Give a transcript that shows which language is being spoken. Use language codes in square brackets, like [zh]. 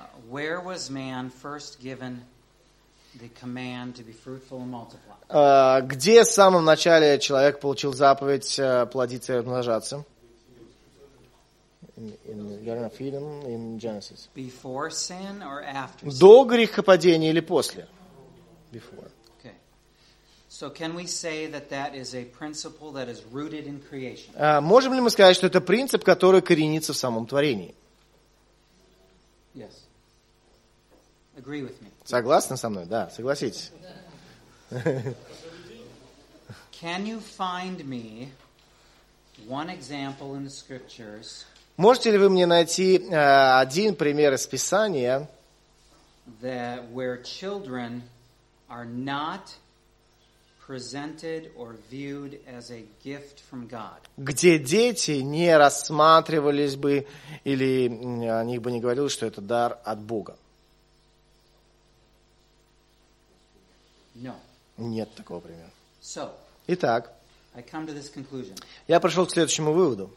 [en] Where was man first given the command to be fruitful and multiply? [ru] Где в самом начале человек получил заповедь плодиться и размножаться? [en] In the Garden of Eden, in Genesis. Before sin or after sin? [ru] До грехопадения или после? [en] Before. So can we say that that is a principle that is rooted in creation? [ru] Можем ли мы сказать, что это принцип, который коренится в самом творении? [en] Yes. Agree with me. [ru] Согласны со мной? Да, согласитесь. [en] Can you find me one example in the scriptures? [ru] Можете ли вы мне найти один пример из Писания, [en] that where children are not presented or viewed as a gift from God. [ru] Где дети не рассматривались бы или о них бы не говорилось, что это дар от Бога? [en] No. [ru] Нет такого примера. [en] So, [ru] итак, [en] I come to this conclusion. [ru] Я пришел к следующему выводу.